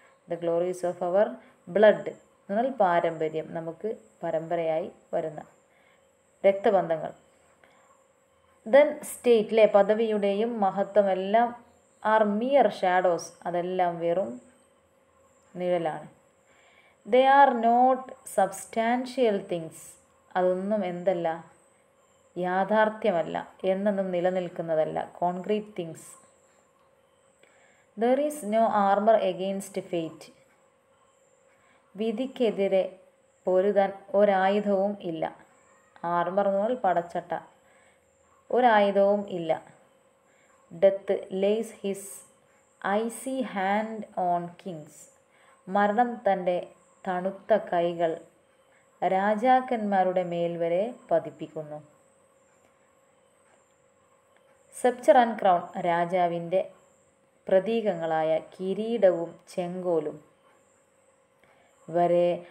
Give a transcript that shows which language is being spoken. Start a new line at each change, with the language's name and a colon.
English: the glories of our blood
Malayalam: എന്നൽ പാരമ്പര്യം, നമുക്ക് പരമ്പരയായി വരുന്ന രക്തബന്ധങ്ങൾ. ദെൻ സ്റ്റേറ്റ്, അല്ലേ, പദവിയുടെയും മഹത്വമെല്ലാം
English: are mere shadows,
Malayalam: അതെല്ലാം വെറും നിഴലാണ്.
English: They are not substantial things.
Malayalam: അതൊന്നും എന്തല്ല, യാഥാർത്ഥ്യമല്ല, എന്നൊന്നും നിലനിൽക്കുന്നതല്ല,
English: Concrete things. There is no armor against fate.
Malayalam: വിധിക്കെതിരെ പൊരുതാൻ ഒരായുധവും ഇല്ല. ആർമർ എന്ന് പറഞ്ഞാൽ പടച്ചട്ട. ഒരായുധവും ഇല്ല.
English: Death lays his icy hand on kings.
Malayalam: മരണം തൻ്റെ തണുത്ത കൈകൾ രാജാക്കന്മാരുടെ മേൽ വരെ പതിപ്പിക്കുന്നു.
English: sceptre and crown,
Malayalam: രാജാവിൻ്റെ പ്രതീകങ്ങളായ കിരീടവും ചെങ്കോലും വരെ.